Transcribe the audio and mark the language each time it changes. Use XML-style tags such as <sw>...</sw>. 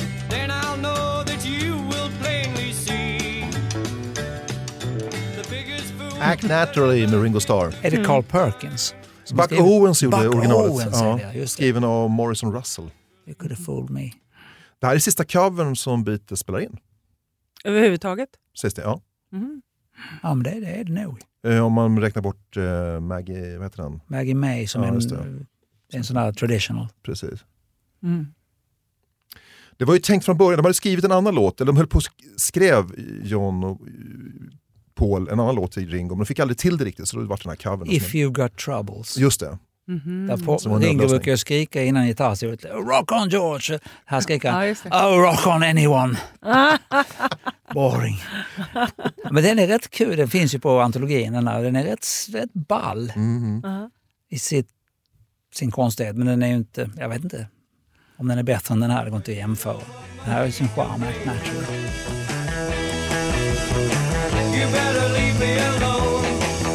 <en>Then I'll know that you will plainly see the biggest fool. Act naturally, in the Ringo Starr.</en> <sv>Är det Carl Perkins? Buck Owens gjorde originalet. Owens, ja. Det, skriven av Morrison Russell.</sv> <en>You could have fooled me.</en> <sv>Det här är sista covern som Beatles spelar in. Överhuvudtaget? Sist det, ja. Mm-hmm. Ja, men det är det nog. Om man räknar bort Maggie, vad heter den? Maggie May som är en sån här traditional. Precis. Mm. Det var ju tänkt från början, de hade skrivit en annan låt, eller de höll på skrev John och Paul en annan låt i Ringo, men de fick aldrig till det riktigt, så det var den här covern.</sv> <en>If You Got Troubles.</en> <sv>Just det. Mm-hmm. Där Ringo brukar jag skrika innan gitarrstyret.</sv> <en>Rock on George!</en> <sv>Här skriker han.</sv> <en>Oh, rock on anyone! Boring.</en> <sv>Men den är rätt kul. Den finns ju på antologin. Den är rätt, rätt ball. Mm-hmm. I sin konstighet. Men den är ju inte, jag vet inte om den är bättre än den här. Det går inte att jämföra. Den här är ju sin charm.</sv> <en>You better leave me alone.</en>